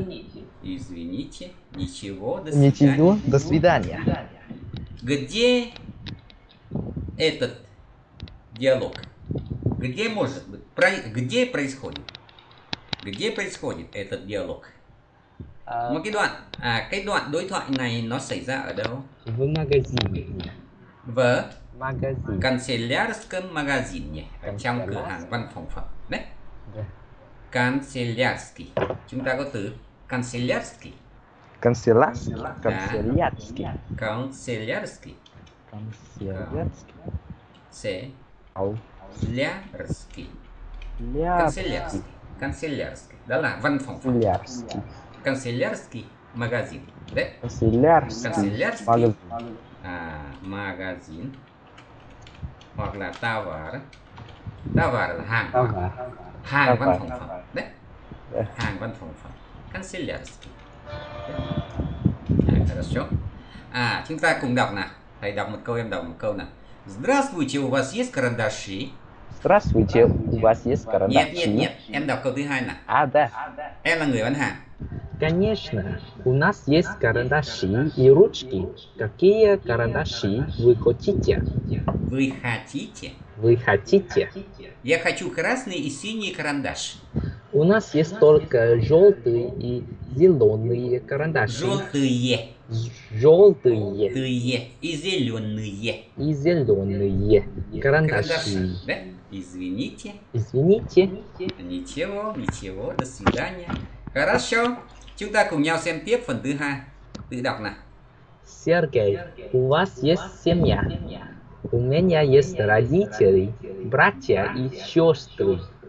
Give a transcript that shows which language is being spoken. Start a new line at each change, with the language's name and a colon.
Russian: Да. Извините, ничего, до свидания. Ничего, до свидания. Где этот диалог? Где может быть? Где происходит? Где происходит этот диалог?
Vietnamese: Một cái đoạn, cái đoạn đối thoại này nó xảy ra ở đâu?
Russian: В магазине. В? Магазине. Канцелярском магазине.
Vietnamese: Ở trong cửa hàng văn phòng phẩm. Đấy. Yeah. Канцелярский. Chúng ta có từ канцелярский.
Russian: Канцелярский. Канцелярский. Канцелярский. Канцелярский. Се. Ау. Лярский. Канцелярский. Канцелярский. Да ладно,
Vietnamese: văn phòng phẩm.
Russian: Лярский. Канцелярский магазин, да? Канцелярский магазин. Магазин. Hoặc товар.
Vietnamese: Товар là hàng. Hàng văn phòng phẩm, да? Hàng văn phòng phẩm. Канцелярский. Хорошо. Chúng ta cùng đọc nào. Thầy đọc một câu, em đọc một câu nào.
Russian: Здравствуйте, у вас есть карандаши? Здравствуйте, у вас есть карандаши? Нет, нет, нет.
Vietnamese: Em đọc câu thứ hai nào.
Russian: А, да.
Vietnamese: Em là người bán hàng.
Russian: Конечно, у нас есть карандаши и ручки. Какие карандаши вы хотите? Вы хотите? Вы хотите? Я хочу красный и синий карандаш. У нас есть только желтые и зеленые карандаши. Желтые. Желтые. Желтые. И зеленые. И зеленые карандаши. Извините. Извините. Ничего, ничего. До свидания. Хорошо.
Vietnamese: Chúng ta cùng nhau xem tiếp phần thứ hai. Tự đọc nào.
Russian: Сергей, у вас есть семья? У меня есть родители, братья и сестры.